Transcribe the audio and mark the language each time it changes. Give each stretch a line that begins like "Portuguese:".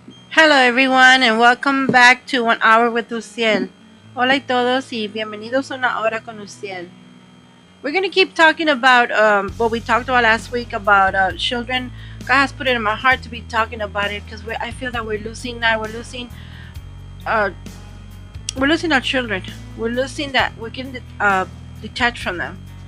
English: Hello everyone and welcome back to 1 hour with UCIEL.
Spanish: Hola a todos y bienvenidos a una hora con UCIEL.
English: We're going to keep talking about what we talked about last week about children. God has put it in my heart to be talking about it because I feel that we're losing that. We're losing our children. We're losing that. We're getting detached from them.